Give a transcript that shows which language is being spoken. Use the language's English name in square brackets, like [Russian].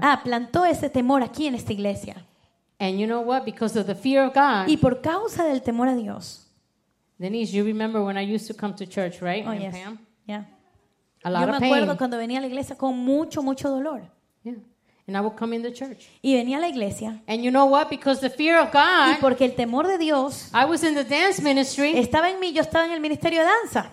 [Spanish] Ah, plantó ese temor aquí en esta iglesia. [English] And you know what? Because of the fear of God. [Spanish] Y por causa del temor a Dios. [English] Denise, you remember when I used to come to church, right? Oh, and yes. Pam? Yeah. A lot [Spanish] yo me [English] of pain. [Spanish] Acuerdo cuando venía a la iglesia con mucho, mucho dolor. [English] Yeah. And I would come in the church. [Spanish] Y venía a la iglesia. [English] And you know what? Because the fear of God. [Spanish] Y porque el temor de Dios. [English] I was in the dance ministry. [Spanish] Estaba en mí, yo estaba en el ministerio de danza.